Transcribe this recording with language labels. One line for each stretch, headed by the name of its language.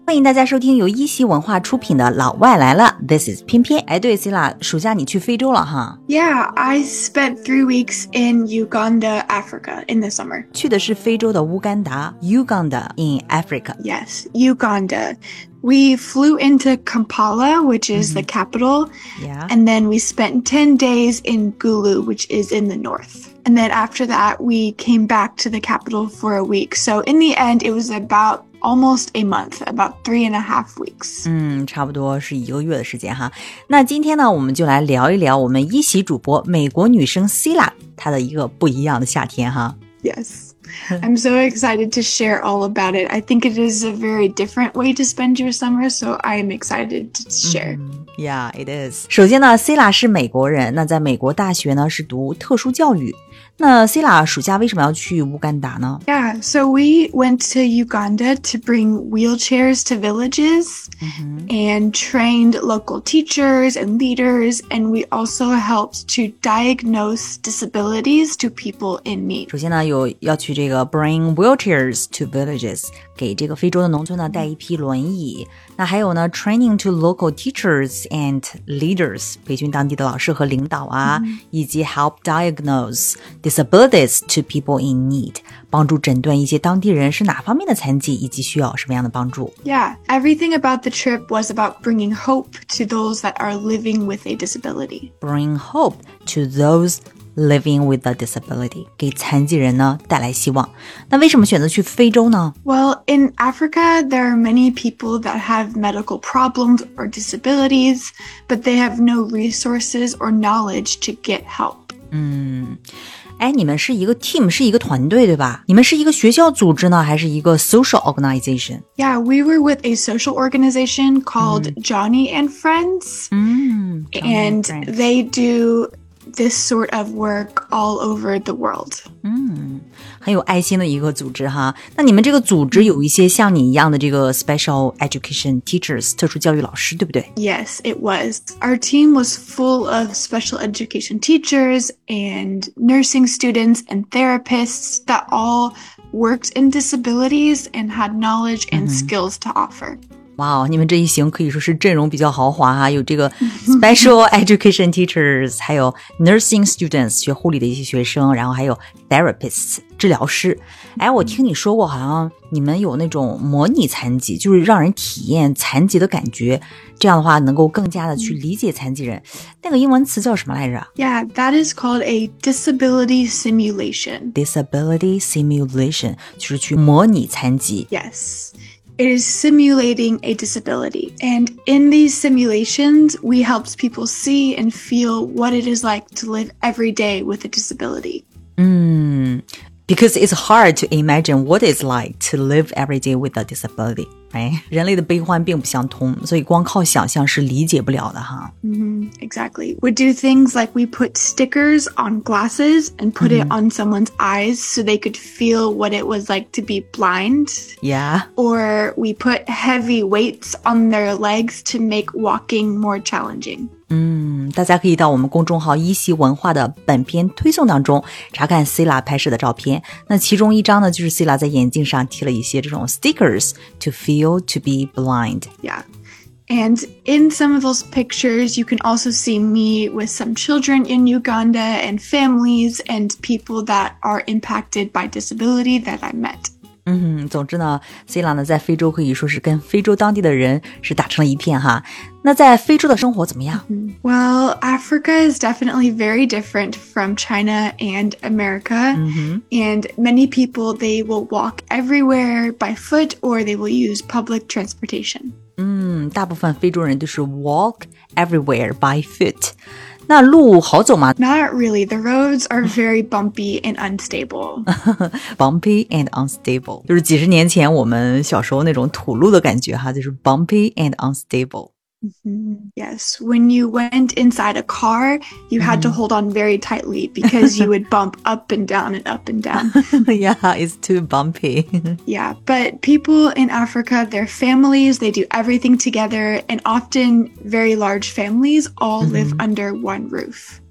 Chinese: 欢迎大家收听由一席文化出品的老外来了。
English: This is 翩翩。
Chinese: 哎，对 ,Sayla, 暑假你去非洲了哈。
English: Yeah, I spent 3 weeks in Uganda, Africa in the summer.
Chinese: 去的是非洲的乌干达 ,
English: Uganda in Africa. Yes, Uganda. We flew into Kampala, which is、mm-hmm. the capital. Yeah. And then we spent 10 days in Gulu, which is in the north. And then after that, we came back to the capital for a week. So in the end, it was about almost a month, about 3.5 weeks.
Chinese: 差不多是一个月的时间哈。那今天呢，我们就来聊一聊我们一席主播美国女生
English: Sayla
Chinese: 她的一个不一样的夏天哈。
English: Yes. I'm so excited to share all about it. I think it is a very different way to spend your summer, so I am excited to share.、 Mm-hmm. Yeah, it is.
Chinese: 首先呢 ,Sayla 是美国人，那在美国大学呢是读特殊教育。那 Sayla 暑假为什么要去乌干达呢
English: ?Yeah, so we went to Uganda to bring wheelchairs to villages、 mm-hmm. and trained local teachers and leaders, and we also helped to diagnose disabilities to people in need.
Chinese: 首先呢有要去这个
English: bring wheelchairs to villages,
Chinese: 给这个非洲的农村呢带一批轮椅。那还有呢
English: training to local teachers and leaders,
Chinese: 培训当地的老师和领导啊、mm-hmm. 以及
English: help diagnose,Disabilities to people in need,
Chinese: 帮助诊断一些当地人是哪方面的残疾以及需要什么样的帮助。
English: Yeah, everything about the trip was about bringing hope to those that are living with a disability. Bring hope to those living with a disability,
Chinese: 给残疾人呢带来希望。那为什么选择去非洲呢
English: ?Well, in Africa, there are many people that have medical problems or disabilities, but they have no resources or knowledge to get help.
Chinese: 哎，你们是一个 team, 是一个团队对吧？你们是一个学校组织呢，还是一个
English: social organization? Yeah, we were with a social organization called、mm. Johnny and Friends. And they do this sort of work all over the world.
Chinese: 很有爱心的一个组织哈。那你们这个组织有一些像你一样的这个
English: special education teachers,
Chinese: 特殊教育老师对不对
English: ?Yes, it was. Our team was full of special education teachers and nursing students and therapists that all worked in disabilities and had knowledge and、mm-hmm. skills to offer.
Chinese: 哇、wow, 你们这一行可以说是阵容比较豪华啊有这个
English: special education teachers,
Chinese: 还有
English: nursing students,
Chinese: 学护理的一些学生然后还有 therapists, 治疗师。哎我听你说过好像你们有那种模拟残疾就是让人体验残疾的感觉这样的话能够更加的去理解残疾人。那个英文词叫什么来着
English: ?Yeah, that is called a disability simulation. Disability simulation,
Chinese: 就是去模拟残疾。
English: Yes. It is simulating a disability. And in these simulations, we help people see and feel what it is like to live every day with a disability. Because it's hard to imagine what it's like to live every day with a disability, right?
Chinese: 人类的悲欢并不相通所以光靠想象是理解不了的哈。
English: Exactly. We do things like we put stickers on glasses and put、mm-hmm. it on someone's eyes so they could feel what it was like to be blind. Yeah. Or we put heavy weights on their legs to make walking more challenging.
Chinese: 大家可以到我们公众号一席文化的本篇推送当中查看 Sayla 拍摄的照片。那其中一张呢就是 Sayla 在眼镜上贴了一些这种
English: stickers to feel to be blind. Yeah. And in some of those pictures, you can also see me with some children in Uganda and families and people that are impacted by disability that I met.
Chinese: 总之呢 ,Sayla 呢在非洲可以说是跟非洲当地的人是打成了一片哈。那在非洲的生活怎么样
English: ?Well, Africa is definitely very different from China and America.、 Mm-hmm. And many people, they will walk everywhere by foot or they will use public transportation.
Chinese: 大部分非洲人都是
English: walk everywhere by foot.
Chinese: 那路好走吗
English: ?Not really. The roads are very bumpy and unstable. bumpy and unstable.
Chinese: 就是几十年前我们小时候那种土路的感觉哈就是
English: bumpy and unstable.、 Mm-hmm. Yes, when you went inside a car, you had to hold on very tightly because you would bump up and down and up and down. yeah, it's too bumpy. yeah, but people in Africa, their families, they do everything together and often very large families all live under one roof.